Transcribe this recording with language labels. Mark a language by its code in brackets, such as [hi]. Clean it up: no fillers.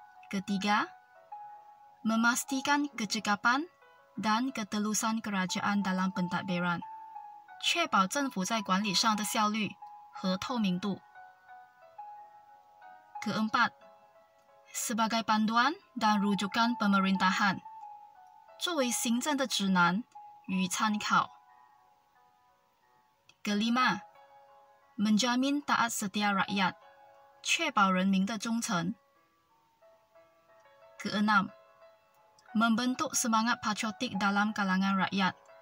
[ms] Ketiga, memastikan kecekapan dan ketelusan kerajaan dalam pentadbiran. [zh] 确保政府在管理上的效率和透明度。 [ms] Keempat, sebagai panduan dan rujukan pemerintahan. [zh] 作为行政的指南与参考。 [ms] Kelima, menjamin taat setia rakyat. [zh] 确保人民的忠诚。 [ms] Keenam, membentuk semangat patriotik dalam kalangan rakyat.